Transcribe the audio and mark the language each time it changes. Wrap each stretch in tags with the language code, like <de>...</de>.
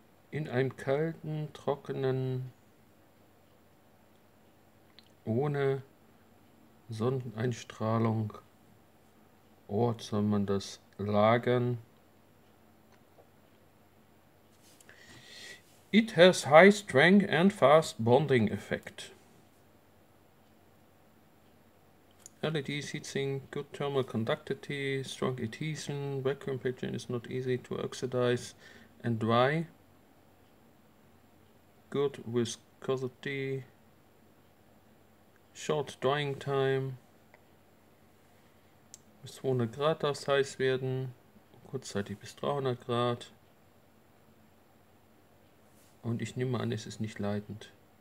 <de>In einem kalten, trockenen, ohne Sonneneinstrahlung Ort soll man das lagern.</de> <en>It has high strength and fast bonding effect. LED heatsink, good thermal conductivity, strong adhesion, vacuum packaging is not easy to oxidize and dry. Good viscosity, short drying time,</en> <de>bis 200 Grad darf es heiß werden, kurzzeitig bis 300 Grad, und ich nehme an, es ist nicht leitend.</de>